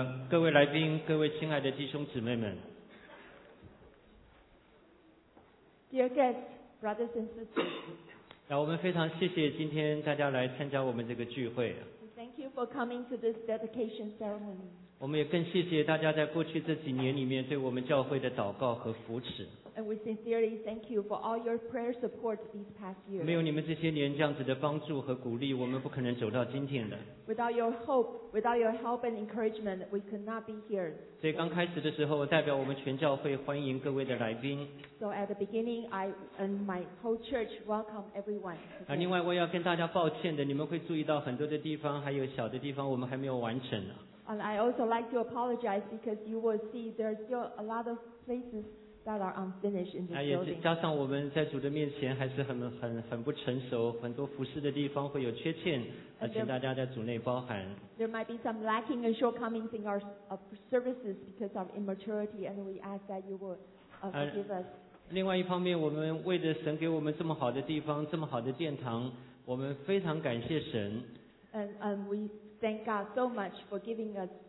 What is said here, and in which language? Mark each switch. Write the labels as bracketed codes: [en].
[zh] 各位来宾，各位亲爱的弟兄姊妹们。 [en] Dear guests, brothers and sisters. [zh] 我们非常谢谢今天大家来参加我们这个聚会。 [en] Thank you for coming to this dedication ceremony. [zh] 我们也更谢谢大家在过去这几年里面对我们教会的祷告和扶持。 [en] And we sincerely thank you for all your prayer support these past years. [zh] 没有你们这些年这样子的帮助和鼓励，我们不可能走到今天的。 [en] Without your hope, without your help and encouragement, we could not be here. [zh] 所以刚开始的时候，我代表我们全教会欢迎各位的来宾。 [en] So at the beginning, I and my whole church welcome everyone. [zh] 另外我要跟大家抱歉的，你们会注意到很多的地方，还有小的地方我们还没有完成呢。 [en] And I also like to apologize because you will see there are still a lot of places. That are unfinished in this building. [zh] 加上我们在主的面前还是很不成熟，很多服事的地方会有缺陷，请大家在主内包涵。 [en] There might be some lacking and shortcomings in our services because of immaturity, and we ask that you will forgive us. [zh] 另外一方面，我们为着神给我们这么好的地方，这么好的殿堂，我们非常感谢神。 [en] And we thank God so much for giving us.